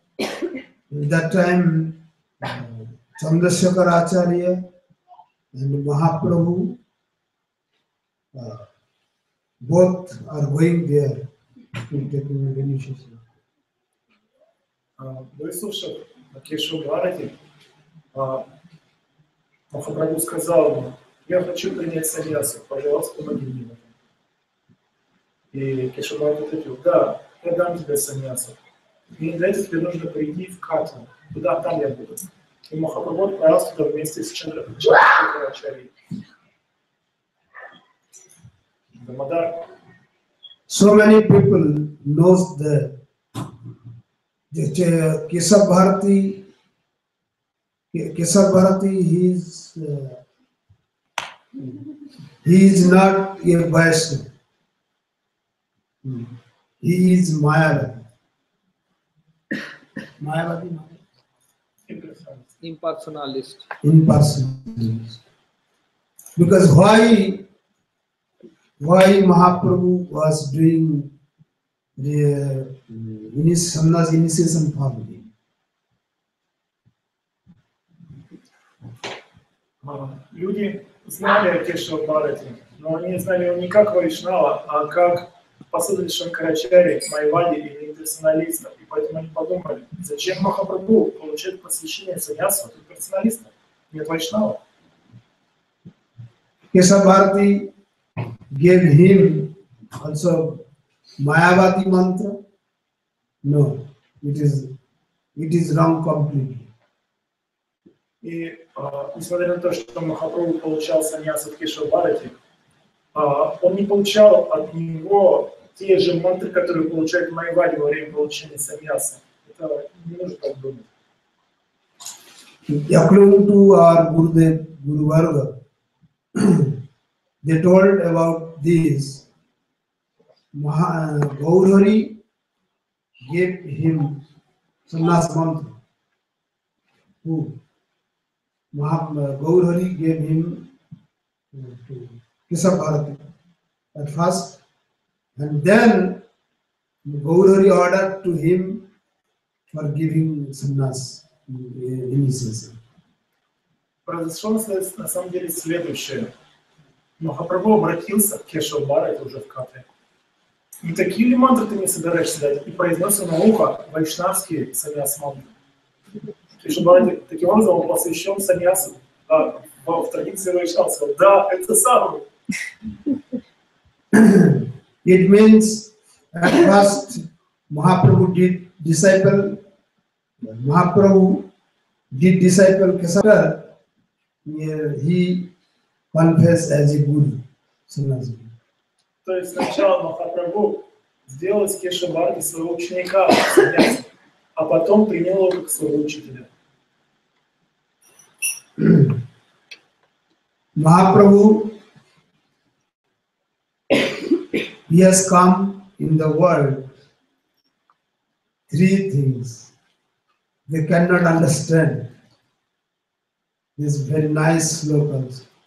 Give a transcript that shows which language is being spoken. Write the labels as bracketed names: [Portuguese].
[English] At that time, Chandrasekhar Acharya and Mahaprabhu, both are going there to take an initiation. [Russian] Выслушав Кешава Бхарати, Махапрабху сказал ему, я хочу принять саньясу, пожалуйста, помоги мне. И Кешава Бхарати ответил, да, я дам тебе саньясу. И для этого тебе нужно прийти в Катву, куда там я буду. И Махапрабху отправился туда вместе с Чандрасекхар Ачарьей. [English] So many people know that Kesava Bharati, he is not a Vaishnava. He is Mayavadi. Mayavadi? Impersonalist. Impersonalist. Because why Mahaprabhu was doing the sannyas initiation for me? [Russian] Люди знали о Кешава Бхарати, но они не знали его не как вайшнава, а как последователь Шанкарачарьи, майвади или имперсоналиста. И поэтому они подумали, зачем Махапрабху получает посвящение саньясу от имперсоналиста? Нет вайшнава. [English] Кешава Бхарати gave him also Mayavati mantra? No, it is wrong completely. [Russian] И несмотря на то, что Махапрабху получал саньяс от Кешава Бхарати, он не получал от него те же мантры, которые получает Майявади во время получения саньяса. Это не нужно так думать. [English] According to our Gurudev, Guru Varga, they told about this. Gaurhari gave him sannyas mantra. Who? Gaurhari gave him to Kesava Bharati at first, and then Gaurhari ordered to him for giving sannyas in his session. [Russian] Произошло на самом деле следующее. Махапрабху обратился к Кешава Бхарати уже в Катре. И такие ли мантры ты не собираешься дать? И произнес на ухо вайшнавские саньяс мантры. Таким образом, он посвящен саньясу в традиции вайшнавцев. Да, это самое. [English] It means at first Mahaprabhu did disciple. Mahaprabhu did disciple Kesava. He confessed as a guru. [Russian] То есть сначала Махапрабху сделал из Кешава Бхарати своего ученика, а потом принял его как своего учителя. [English] Махапрабху, he has come in the world three things they cannot understand. This very nice slogans.